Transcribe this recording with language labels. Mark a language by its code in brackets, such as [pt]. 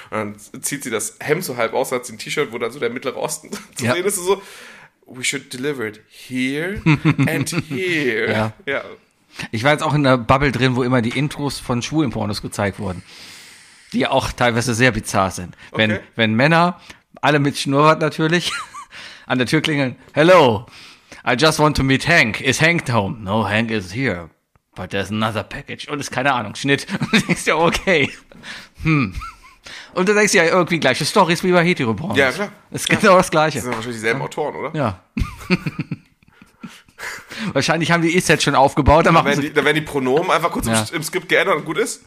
[de] Und dann zieht sie das Hemd so halb aus, hat sie ein T-Shirt, wo dann so der Mittlere Osten zu sehen ist. [en] So, we should deliver it here and here. [de] Ja. Ich war jetzt auch in der Bubble drin, wo immer die Intros von schwulen Pornos gezeigt wurden, die auch teilweise sehr bizarr sind. Okay. Wenn Männer, alle mit Schnurrbart natürlich, an der Tür klingeln, [en] hello, I just want to meet Hank, is Hank home? No, Hank is here, but there's another package. [de] Und ist keine Ahnung, Schnitt. Und du denkst ja, okay. Und du denkst ja, irgendwie gleiche Storys wie bei Hetero-Pornos. Ja, klar. Es gibt auch das Gleiche. Das sind wahrscheinlich dieselben Autoren, oder? Ja. Wahrscheinlich haben die E-Sets schon aufgebaut. Da werden die Pronomen einfach kurz im Skript geändert und gut ist.